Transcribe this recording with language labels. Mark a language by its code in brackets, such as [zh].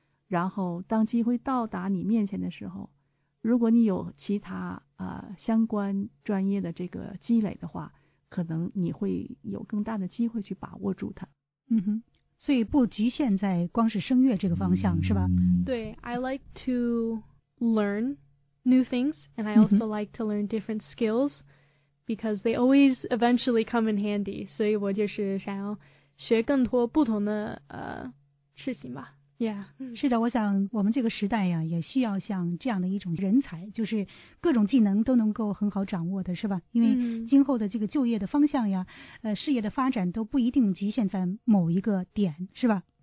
[zh] 然后当机会到达你面前的时候，如果你有其他相关专业的这个积累的话，可能你会有更大的机会去把握住它。嗯哼。所以不局限在光是声乐这个方向，是吧？ [en] 对 ，I like to learn new things, and I also like to learn different skills, because they always eventually come in handy. [zh] 所以我就是想要学更多不同的事情吧。 [en] Yeah, [zh] 是的，我想我们这个时代呀，也需要像这样的一种人才，就是各种技能都能够很好掌握的，是吧？因为今后的这个就业的方向呀，事业的发展都不一定局限在某一个点，是吧？